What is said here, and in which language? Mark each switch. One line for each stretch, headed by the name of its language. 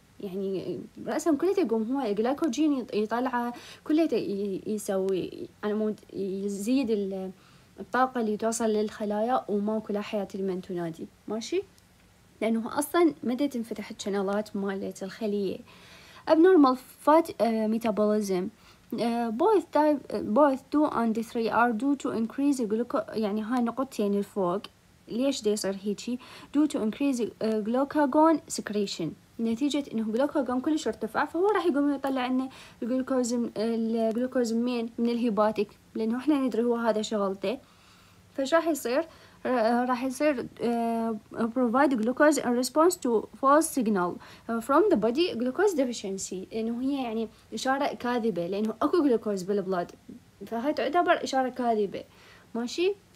Arabic: يعني رأسهم كلها تقوم هو الجلوكوجين يطلع كلها يسوي على مود يزيد الطاقة اللي توصل للخلايا وماكو لا حياة لمن تنادي ماشي، لأنه أصلاً مدى تنفتح الشنالات مالت الخلية.
English: abnormal fat metabolism both 2 and 3 are due to increase glucose.
Arabic: يعني هاي نقطتين الفوق ليش دي صار هيتي؟
English: due to increase glucagon secretion،
Arabic: نتيجة إنه glucagon كل شي ارتفع فهو راح يقوم يطلع لنا الجلوكوز مين؟ من الهيباتيك، لأنه إحنا ندري هو هذا شغلته. فش راح يصير؟ راح يصير
English: provide glucose in response to false signal from the body glucose deficiency،
Arabic: لأنه هي يعني إشارة كاذبة لأنه أكو glucose بالبلد، فهي تعتبر إشارة كاذبة ماشي.